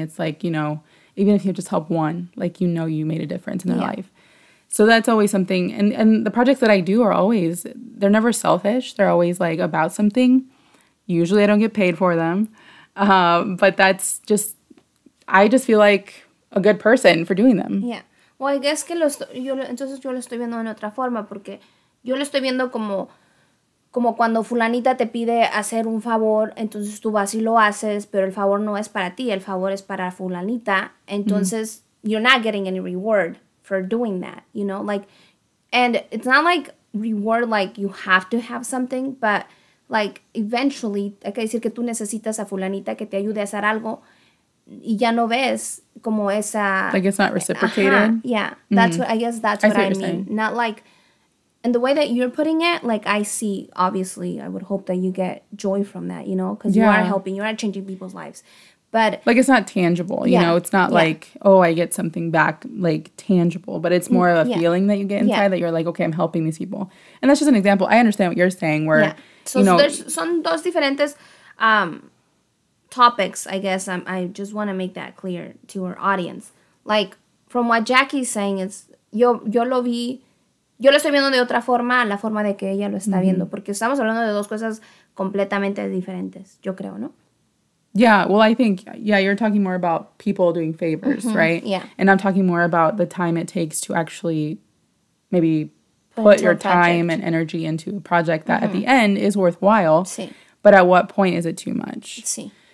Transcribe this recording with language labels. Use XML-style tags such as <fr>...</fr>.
<en>It's, like, you know – even if you just help one, like, you know you made a difference in their life. So that's always something. And the projects that I do are always, they're never selfish. They're always, like, about something. Usually I don't get paid for them. But that's just, I just feel like a good person for doing them. Yeah. Well, I guess</en> <es>que los, yo, entonces yo lo estoy viendo en otra forma, porque yo lo estoy viendo como cuando fulanita te pide hacer un favor, entonces tú vas y lo haces, pero el favor no es para ti, el favor es para fulanita, entonces mm-hmm.</es> <en>you're not getting any reward for doing that, you know? Like, and it's not like reward, like you have to have something, but like eventually,</en> <es>hay que decir que tú necesitas a fulanita que te ayude a hacer algo, y ya no ves como esa...</es> <en>Like it's not reciprocated? Uh-huh. Yeah, that's mm-hmm. what, I guess that's what I mean. Saying. Not like... And the way that you're putting it, like, I see, obviously, I would hope that you get joy from that, you know? Because you are helping, you are changing people's lives. But... Like, it's not tangible, you know? It's not like, oh, I get something back, like, tangible. But it's more of a feeling that you get inside that you're like, okay, I'm helping these people. And that's just an example. I understand what you're saying, where, you know... So there's</en> <es>son dos diferentes</es> <en>topics, I guess. I just want to make that clear to our audience. Like, from what Jackie's saying, it's,</en> <es>yo lo vi... Yo lo estoy viendo de otra forma, la forma de que ella lo está mm-hmm. viendo. Porque estamos hablando de dos cosas completamente diferentes, yo creo, ¿no?</es> <en>Yeah, well, I think, yeah, you're talking more about people doing favors, mm-hmm. right? Yeah. And I'm talking more about the time it takes to actually maybe put your time and energy into a project that mm-hmm. at the end is worthwhile.</en> <es>Sí.</es> <en>But at what point is it too much?</en> <es>Sí.</es>